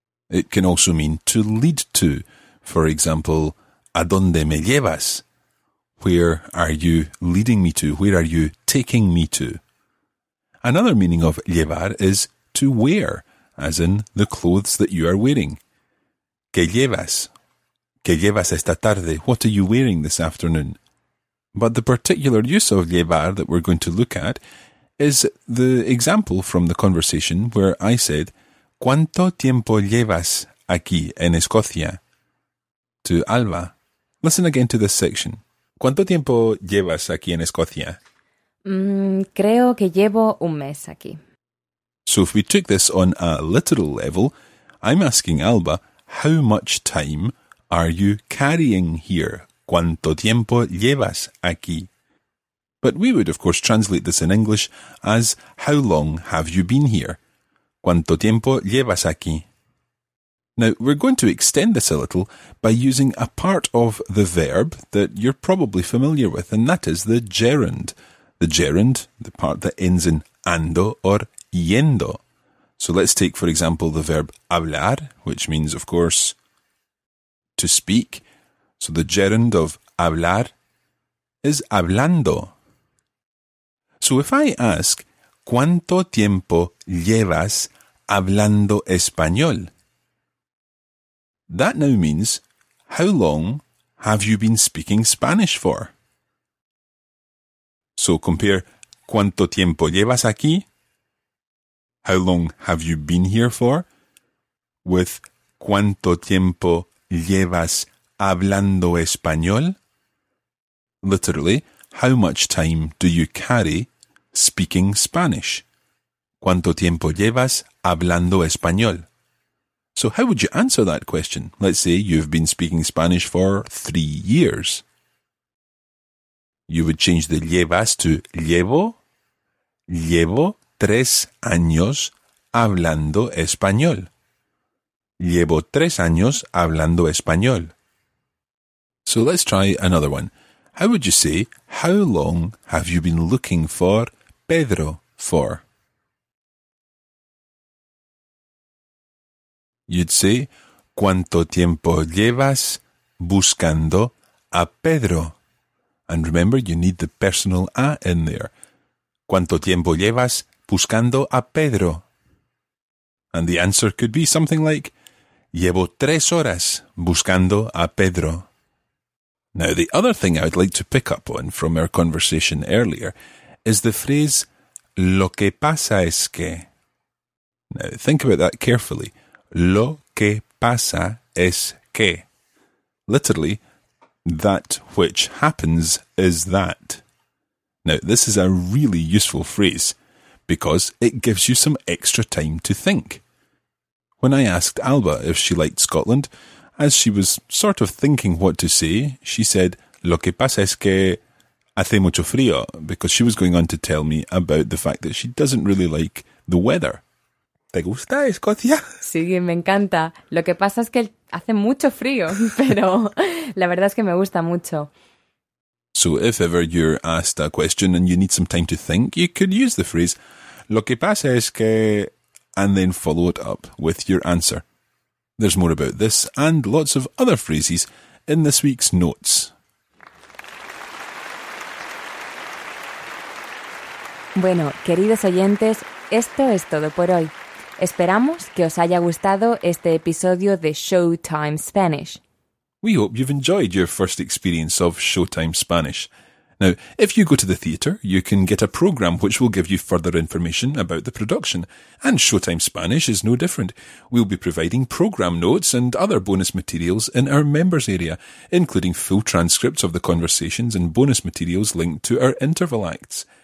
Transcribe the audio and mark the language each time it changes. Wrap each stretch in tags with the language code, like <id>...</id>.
<en>It can also mean to lead to. For example,</en> <es>¿a dónde me llevas?</es> <en>Where are you leading me to? Where are you taking me to? Another meaning of llevar is to wear, as in the clothes that you are wearing.</en> <es>¿Qué llevas?</es> <en>¿Qué llevas esta tarde? What are you wearing this afternoon? But the particular use of llevar that we're going to look at is the example from the conversation where I said,</en> <es>¿Cuánto tiempo llevas aquí en Escocia?</es> <en>To Alba. Listen again to this section.</en> <es>¿Cuánto tiempo llevas aquí en Escocia? Creo que llevo un mes aquí.</es> <en>So if we took this on a literal level, I'm asking Alba, how much time are you carrying here?</en> <es>¿Cuánto tiempo llevas aquí?</es> <en>But we would, of course, translate this in English as, how long have you been here?</en> <es>¿Cuánto tiempo llevas aquí?</es> <en>Now, we're going to extend this a little by using a part of the verb that you're probably familiar with, and that is the gerund. The gerund, the part that ends in ando or yendo. So let's take, for example, the verb hablar, which means, of course, to speak. So the gerund of hablar is hablando. So if I ask,</en> <es>¿cuánto tiempo llevas hablando español?</es> <en>That now means, how long have you been speaking Spanish for? So compare,</en> <es>¿cuánto tiempo llevas aquí?</es> <en>How long have you been here for?</en> <es>With, ¿cuánto tiempo llevas hablando español?</es> <en>Literally, how much time do you carry speaking Spanish?</en> <es>¿Cuánto tiempo llevas hablando español?</es> <en>So how would you answer that question? Let's say you've been speaking Spanish for 3 years. You would change the llevas to llevo.</en> <es>Llevo 3 años hablando español. Llevo 3 años hablando español.</es> <en>So let's try another one. How would you say, how long have you been looking for Pedro for? You'd say,</en> <es>¿cuánto tiempo llevas buscando a Pedro?</es> <en>And remember, you need the personal A in there.</en> <es>¿Cuánto tiempo llevas buscando a Pedro?</es> <en>And the answer could be something like,</en> <es>llevo 3 horas buscando a Pedro.</es> <en>Now, the other thing I'd like to pick up on from our conversation earlier is the phrase, lo que pasa es que. Now, think about that carefully.</en> <es>Lo que pasa es que.</es> <en>Literally, that which happens is that. Now, this is a really useful phrase because it gives you some extra time to think. When I asked Alba if she liked Scotland, as she was sort of thinking what to say, she said,</en> <es>lo que pasa es que hace mucho frío,</es> <en>because she was going on to tell me about the fact that she doesn't really like the weather.</en> <es>¿Te gusta Escocia? Sí, me encanta. Lo que pasa es que hace mucho frío, pero la verdad es que me gusta mucho.</es> <en>So if ever you're asked a question and you need some time to think, you could use the phrase,</en> <es>lo que pasa es que,</es> <en>and then follow it up with your answer. There's more about this and lots of other phrases in this week's notes.</en> <es>Bueno, queridos oyentes, esto es todo por hoy. Esperamos que os haya gustado este episodio de Showtime Spanish.</es> <en>We hope you've enjoyed your first experience of Showtime Spanish. Now, if you go to the theatre, you can get a programme which will give you further information about the production. And Showtime Spanish is no different. We'll be providing programme notes and other bonus materials in our members' area, including full transcripts of the conversations and bonus materials linked to our interval acts.</en>